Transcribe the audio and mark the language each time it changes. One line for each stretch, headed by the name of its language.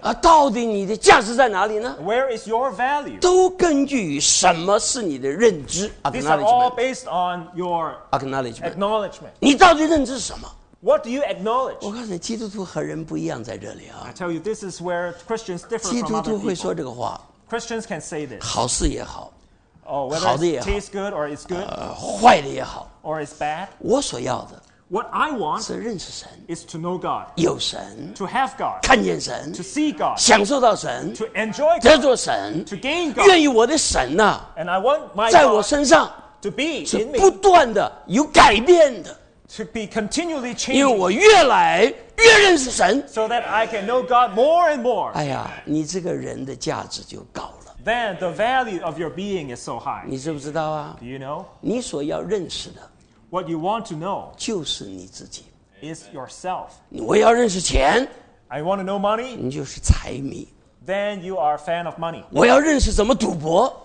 Chinese: 啊，到底你的价值在哪里呢
English: ？Where is your value?
Chinese: 都根据于什么是你的认知 ？Acknowledgement.
English: These are all based on your acknowledgement. Acknowledgement.
Chinese: 你到底认知什么
English: ？What do you acknowledge?
Chinese: 我告诉你，基督徒和人不一样在这里啊。
English: I tell you, this is where Christians differ from other people.
Chinese: 基督徒会说这个话。
English: Christians can say this.
Chinese: 好事也好。
English: Oh, whether it tastes good or it's good,
Chinese: 坏的也好
English: or it's bad.
Chinese: 我所要的
English: what I want
Chinese: 是认识神
English: is to know God.
Chinese: 有神
English: to have God.
Chinese: 看见神
English: to see God.
Chinese: 享受到神
English: to enjoy God.
Chinese: 得着神
English: to gain God.
Chinese: 愿意我的神呢、啊、
English: and I want my God
Chinese: 在我身上
English: to be in me.
Chinese: 是不断的有改变的
English: to be continually changing.
Chinese: 因为我越来越认识神
English: so that I can know God more and more.
Chinese: 哎呀，你这个人的价值就高。
English: Then the value of your being is so high.
Chinese: 你知不知道啊
English: ？Do you know?
Chinese: 你所要认识的
English: ，What you want to know,
Chinese: 就是你自己
English: ，is yourself.
Chinese: 我要认识钱
English: ，I want to know money.
Chinese: 你就是财迷
English: ，Then you are a fan of money.
Chinese: 我要认识怎么赌博